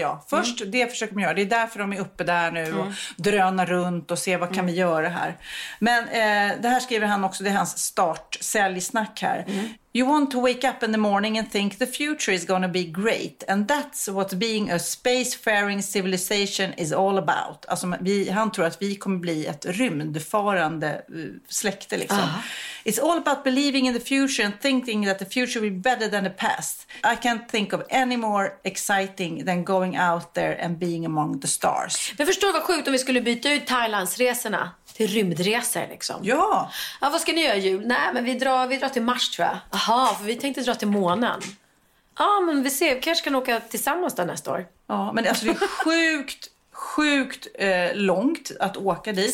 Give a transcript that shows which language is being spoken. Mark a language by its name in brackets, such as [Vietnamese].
[Swedish] Först det försöker man göra. Det är därför de är uppe där nu och dröna runt och se vad kan vi göra här. Men det här skriver han också, det är hans start-säljsnack här. Mm. [English] You want to wake up in the morning and think the future is gonna be great. And that's what being a spacefaring civilization is all about. [Swedish] Alltså, han tror att vi kommer bli ett rymdfarande släkte. Liksom. Uh-huh. [English] It's all about believing in the future and thinking that the future will be better than the past. I can't think of any more exciting than going out there and being among the stars. [Swedish] Men förstår vad sjukt om vi skulle byta ut Thailandsresorna till rymdresor liksom. Ja. Ja, vad ska ni göra jul? Nej, men vi drar till Mars tror jag. Jaha, för vi tänkte dra till månen. Ja, men vi ser, vi kanske kan åka tillsammans där nästa år. Ja, men alltså det är sjukt långt att åka dit.